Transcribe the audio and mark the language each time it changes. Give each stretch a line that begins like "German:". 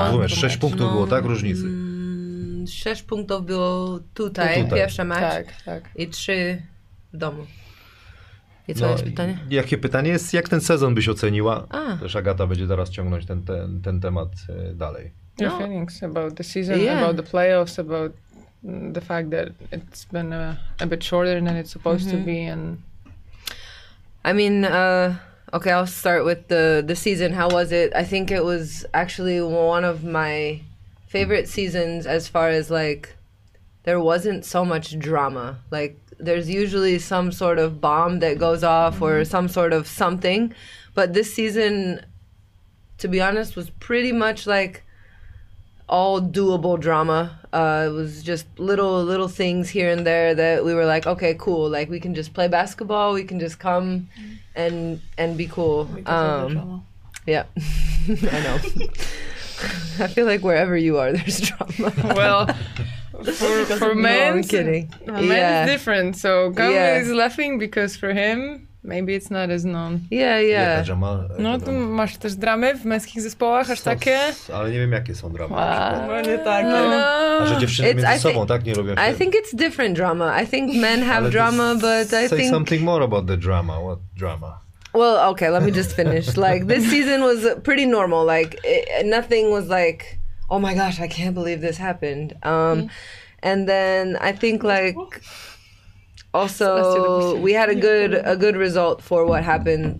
Polish: No, dwumecz. 6 punktów było, tak? Różnicy. 6 punktów było tutaj, tutaj. Pierwszy mecz. Tak, tak. I 3 w domu. I co no, jest pytanie? Jakie pytanie jest, jak ten sezon byś oceniła? Też Agata będzie teraz ciągnąć ten temat dalej.
English: Your feelings about the season, about the playoffs, about the fact that it's been a bit shorter than it's supposed to be. And I mean, okay, I'll start with the season. How was it? I think it was actually one of my favorite seasons as far as like, there wasn't so much drama. Like, there's usually some sort of bomb that goes off or some sort of something. But this season, to be honest, was pretty much like all doable drama. It was just little things here and there that we were like, okay, cool. Like, we can just play basketball. We can just come and be cool. We can drama. Yeah, I know. I feel like wherever you are, there's drama. Well... For men, it's different. So Gamal is laughing because for him, maybe it's not as known. Yeah.
Polish: No, to masz też dramy w męskich zespołach, aż takie? Ale nie wiem, jakie są dramy. No nie tak. A że dziewczyny
English: it's,
Polish: między sobą, tak? Nie robią
English: I think it's different drama. I think men have drama, but I say think... Say something more about the drama. What drama? Well, okay, let me just finish. Like, this season was pretty normal. Like, nothing was like... Oh my gosh, I can't believe this happened. And then I think like also we had a good result for what happened.